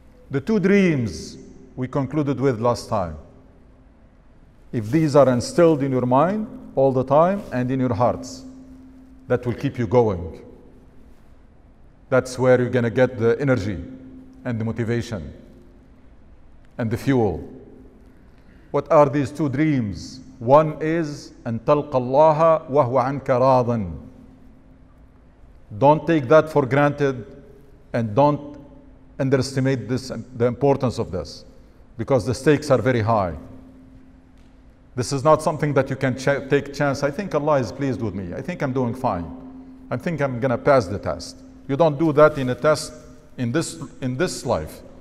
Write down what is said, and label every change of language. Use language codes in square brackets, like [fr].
[en] The two dreams we concluded with last time, if these are instilled in your mind all the time and in your hearts, that will keep you going. That's where you're going to get the energy and the motivation and the fuel. What are these two dreams? One is, [ar] أن تلقى الله وهو عنك راض. [en] Don't take that for granted and don't underestimate this, the importance of this, because the stakes are very high. This is not something that you can take chance. I think Allah is pleased with me. I think I'm doing fine. I think I'm going to pass the test. You don't do that in a test in this life.